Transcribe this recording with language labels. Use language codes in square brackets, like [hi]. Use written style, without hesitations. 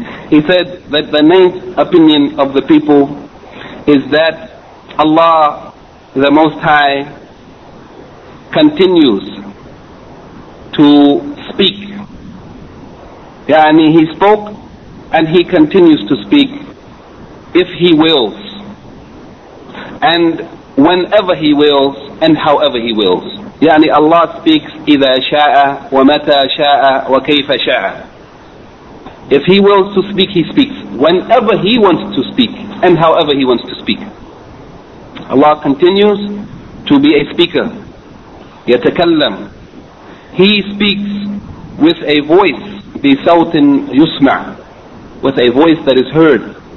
[en] He said that the 9th opinion of the people is that Allah the Most High continues to speak. Yani He spoke and He continues to speak if He wills, and whenever He wills and however He wills. Yani Allah speaks [ar] إذا شاء ومتى شاء وكيف شاء. [en] If He wills to speak, He speaks. Whenever He wants to speak and however He wants to speak. Allah continues to be a speaker. [ar] يتكلم. [en] He speaks with a voice, [ar] بصوت يسمع, [en] with a voice that is heard.